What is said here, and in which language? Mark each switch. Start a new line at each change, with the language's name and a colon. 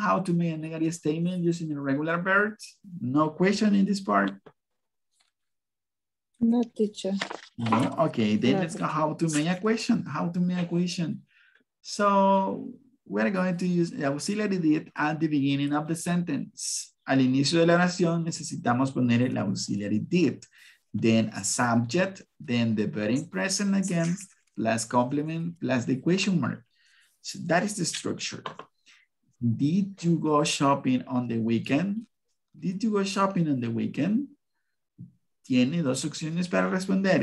English: How to make a negative statement using irregular verbs? No question in this part? No, teacher. No? Okay, then let's go how to make a question. How to make a question. So we're going to use the auxiliary did at the beginning of the sentence.
Spanish: Al inicio de la oración, necesitamos poner el auxiliary did.
English: Then a subject, then the verb in present again, plus complement, plus the question mark. So that is the structure. Did you go shopping on the weekend? Did you go shopping on the weekend?
Spanish: Tiene dos opciones para responder.